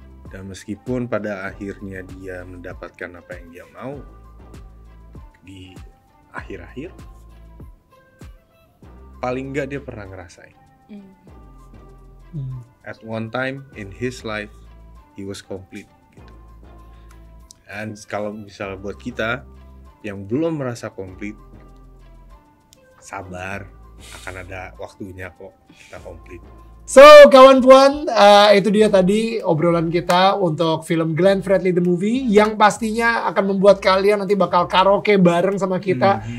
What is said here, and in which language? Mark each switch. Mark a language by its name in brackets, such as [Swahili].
[Indonesian] Dan meskipun pada akhirnya dia mendapatkan apa yang dia mau di akhir-akhir, paling enggak dia pernah ngerasain. [English] At one time in his life, he was complete. [Indonesian] Gitu. And kalau misalnya buat kita yang belum merasa complete, sabar, akan ada waktunya kok kita complete. So, kawan-kawan, itu dia tadi obrolan kita untuk film Glenn Fredly The Movie yang pastinya akan membuat kalian nanti bakal karaoke bareng sama kita.